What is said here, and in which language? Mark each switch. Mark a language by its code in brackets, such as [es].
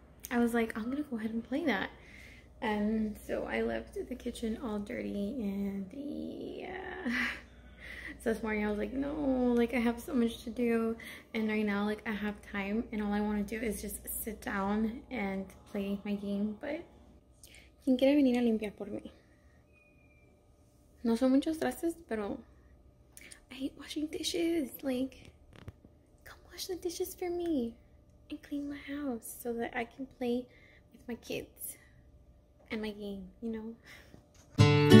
[en] I was like, I'm gonna go ahead and play that, and so I left the kitchen all dirty, and yeah, so this morning I was like, no, like, I have so much to do, and right now, like, I have time, and all I want to do is just sit down and play my game, but... [es] ¿Quién quiere venir a limpiar por mí? No son muchos trastes, pero... [en] I hate washing dishes. Like, come wash the dishes for me. And clean my house so that I can play with my kids. And my game, you know?